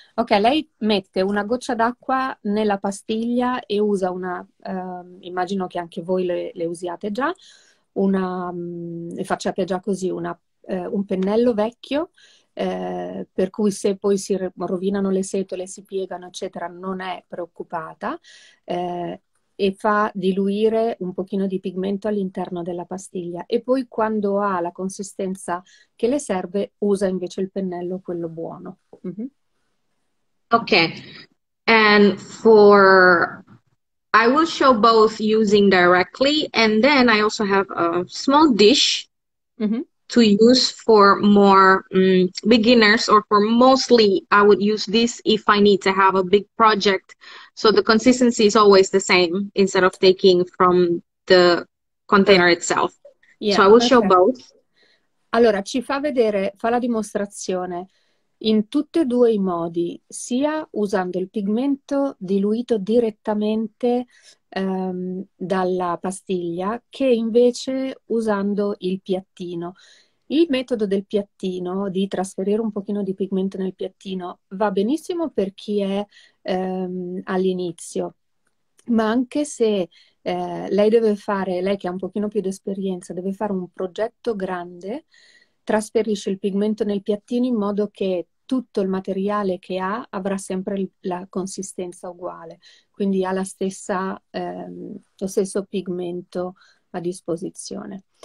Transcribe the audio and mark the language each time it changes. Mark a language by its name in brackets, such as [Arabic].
[Italian] Ok, lei mette una goccia d'acqua nella pastiglia e usa una, immagino che anche voi le usiate già, una, e facciate già così, un pennello vecchio, per cui se poi si rovinano le setole, si piegano, eccetera, non è preoccupata, e fa diluire un pochino di pigmento all'interno della pastiglia. E poi quando ha la consistenza che le serve, usa invece il pennello, quello buono. Mm-hmm. [English] Okay, and for, I will show both using directly, and then I also have a small dish, mm-hmm, to use for more beginners, or for mostly I would use this if I need to have a big project. So the consistency is always the same instead of taking from the container itself. Yeah, so I will okay. show both. [Italian] Allora, ci fa vedere, fa la dimostrazione. In tutti e due i modi, sia usando il pigmento diluito direttamente dalla pastiglia, che invece usando il piattino. Il metodo del piattino, di trasferire un pochino di pigmento nel piattino, va benissimo per chi è all'inizio, ma anche se lei deve fare, lei che ha un pochino più di esperienza, deve fare un progetto grande, trasferisce il pigmento nel piattino in modo che tutto il materiale che ha avrà sempre la consistenza uguale, quindi ha la stessa, lo stesso pigmento a disposizione.